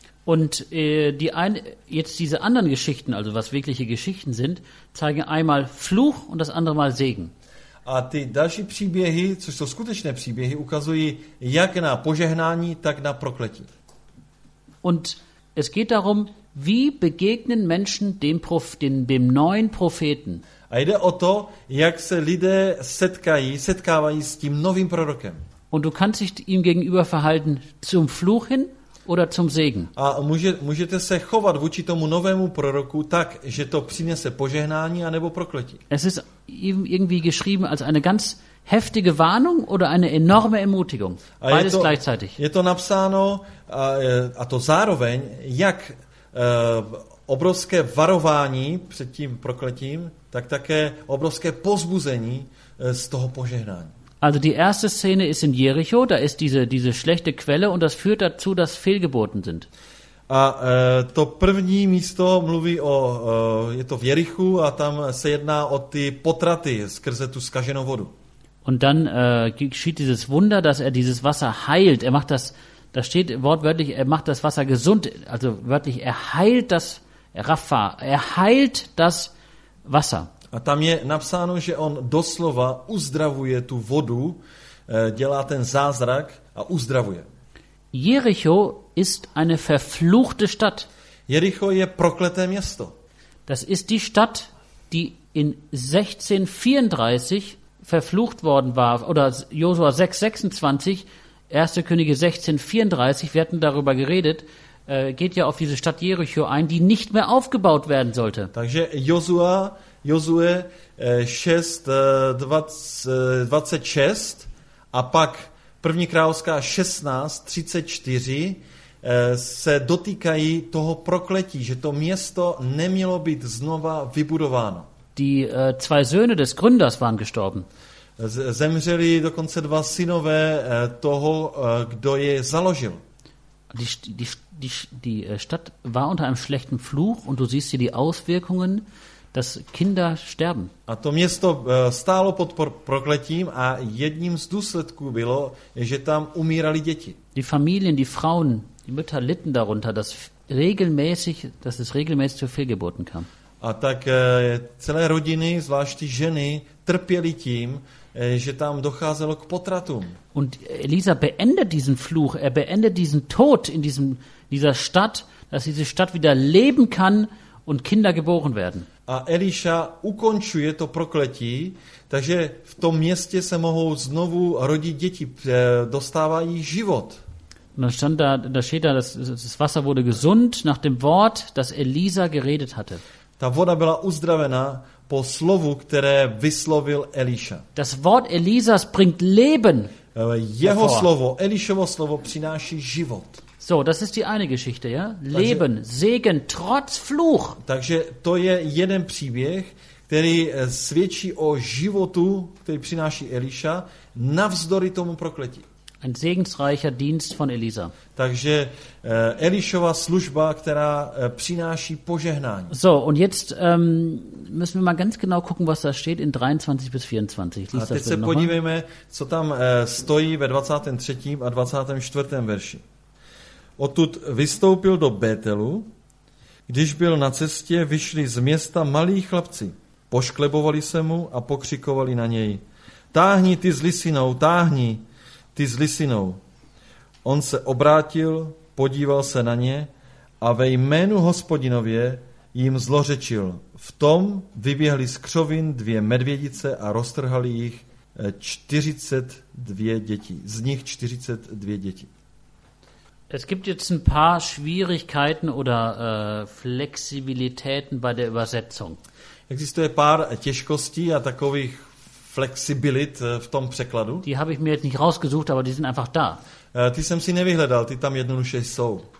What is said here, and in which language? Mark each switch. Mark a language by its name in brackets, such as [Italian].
[German] Und jetzt diese anderen Geschichten, also was wirkliche Geschichten sind, zeigen einmal Fluch und das andere Mal Segen. [Czech] A ty další příběhy, což jsou skutečné příběhy, ukazují jak na požehnání, tak na prokletí. [German] Und es geht darum, wie begegnen Menschen dem neuen Propheten. [Czech] A jde o to, jak se lidé setkávají s tím novým prorokem. [German] Und du kannst dich ihm gegenüber verhalten zum Fluch hin oder zum Segen. [Czech] A můžete se chovat vůči tomu novému proroku tak, že to přinese požehnání a nebo prokletí. [German] Es ist irgendwie geschrieben als eine ganz heftige Warnung oder eine enorme Ermutigung. Beides gleichzeitig. [Czech] Je to napsáno a to zároveň jak obrovské varování před tím prokletím, tak také obrovské pozbuzení z toho požehnání. [German] Also die erste Szene ist in Jericho, da ist diese schlechte Quelle und das führt dazu, dass Fehlgeburten sind. [Czech] A to první místo mluví o, je to v Jerichu a tam se jedná o ty potraty skrze tu zkaženou vodu. [German] Und dann geschieht dieses Wunder, dass er dieses Wasser heilt. Er macht das steht wortwörtlich, er macht das Wasser gesund, also wörtlich, er heilt das Rapha, er heilt das Wasser. [Czech] A tam je napsáno, že on doslova uzdravuje tu vodu, dělá ten zázrak a uzdravuje. [German] Jericho ist eine verfluchte Stadt. [Czech] Jericho je prokleté město. [German] Das ist die Stadt, die in 1634 verflucht worden war, oder Josua 6:26, 1. Könige 1634, wir hatten darüber geredet, geht ja auf diese Stadt Jericho ein, die nicht mehr aufgebaut werden sollte. [Czech] Takže Josue 6:26 a pak první královská 16:34 se dotýkají toho prokletí, že to město nemělo být znova vybudováno. [German] Die zwei Söhne des Gründers waren gestorben. [Czech] Zemřeli dokonce dva synové toho, kdo je založil. [German] Die Stadt war unter einem schlechten Fluch und du siehst hier die Auswirkungen. Dass Kinder sterben. [Czech] A to město stálo pod prokletím a jedním z důsledků bylo, že tam umírali děti. [German] Die Familien, die Frauen, die Mütter litten darunter, dass es regelmäßig zu Fehlgeburten kam. [Czech] A tak celé rodiny, zvláště ženy, trpěly tím, že tam docházelo k potratům. [German] Und Elisa beendet diesen Fluch, er beendet diesen Tod in dieser Stadt, dass diese Stadt wieder leben kann und Kinder geboren werden. [Czech] A Eliša ukončuje to prokletí, takže v tom městě se mohou znovu rodit děti, dostávají život. [German] Das Wasser wurde gesund nach dem Wort, das Elisa geredet hatte. [Czech] Ta voda byla uzdravena po slovu, které vyslovil Eliša. [German] Das Wort Elisas bringt Leben. [Czech] Jeho slovo, Elišovo slovo přináší život. [German] So, das ist die eine Geschichte, ja? Leben, Segen trotz Fluch. [Czech] Takže to je jeden příběh, který svědčí o životu, který přináší Eliša, navzdory tomu prokletí. [German] Ein segensreicher Dienst von Elisa. [Czech] Takže Elišova služba, která přináší požehnání. [German] So, und jetzt müssen wir mal ganz genau gucken, was da steht in 23 bis 24. Lies [Czech] a teď se podívejme, co tam stojí ve 23. a 24. verši. Odtud vystoupil do Bételu, když byl na cestě, vyšli z města malí chlapci. Pošklebovali se mu a pokřikovali na něj. Táhni ty s lisinou, táhni ty s lisinou. On se obrátil, podíval se na ně a ve jménu Hospodinově jim zlořečil. V tom vyběhly z křovin dvě medvědice a roztrhali jich 42 dětí. Z nich 42 dětí. [German] Es gibt jetzt ein paar Schwierigkeiten oder Flexibilitäten bei der Übersetzung. [Czech] Existuje pár těžkostí a takových flexibilit v tom překladu. [German] Die habe ich mir jetzt nicht rausgesucht, aber die sind einfach da. [Czech] Ty jsem si nevyhledal, ty tam jednoduše jsou.